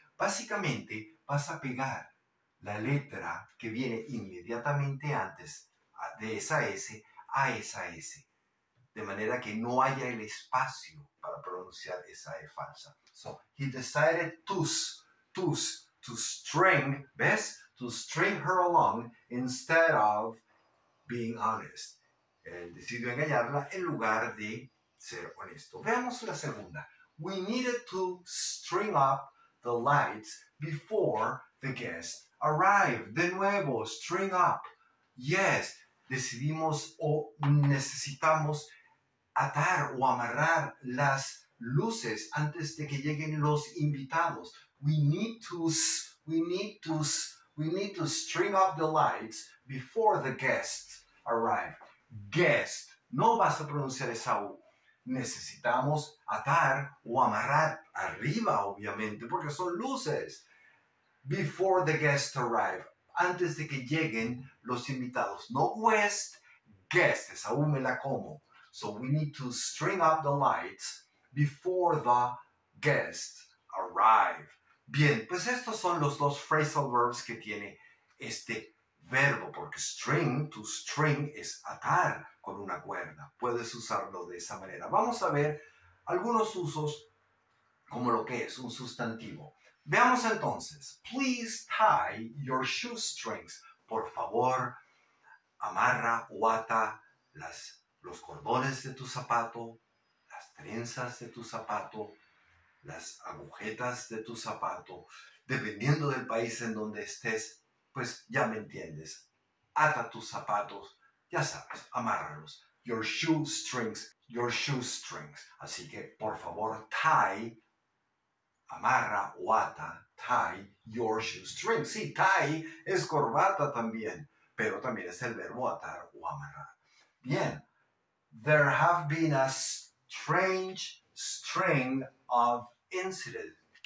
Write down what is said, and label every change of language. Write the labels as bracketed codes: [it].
[es] Básicamente, vas a pegar la letra que viene inmediatamente antes de esa S a esa S, de manera que no haya el espacio para pronunciar esa E falsa. [en] So, he decided to string, [es] ¿ves? [en] To string her along instead of being honest. [es] Él decidió engañarla en lugar de ser honesto. Veamos la segunda. [en] We needed to string up the lights before the guest arrived. [es] De nuevo, string up. Yes, decidimos o necesitamos atar o amarrar las luces antes de que lleguen los invitados. [en] We need to string up the lights before the guests arrive. [es] Guest. No vas a pronunciar esa U. Necesitamos atar o amarrar arriba, obviamente, porque son luces. [en] Before the guests arrive. [es] Antes de que lleguen los invitados. No guest, guest. Esa U me la como. [en] So we need to string up the lights before the guests arrive. [es] Bien, pues estos son los dos phrasal verbs que tiene este verbo, porque string, to string, es atar con una cuerda. Puedes usarlo de esa manera. Vamos a ver algunos usos como lo que es un sustantivo. Veamos entonces. [en] Please tie your shoestrings. [es] Por favor, amarra o ata los cordones de tu zapato, las trenzas de tu zapato, las agujetas de tu zapato. Dependiendo del país en donde estés, pues ya me entiendes. Ata tus zapatos, ya sabes, amárralos. [en] Your shoestrings. [es] Así que, por favor, tie, amarra o ata, tie your shoestrings. Sí, tie es corbata también, pero también es el verbo atar o amarrar. Bien. [en] There have been a strange string of incidents.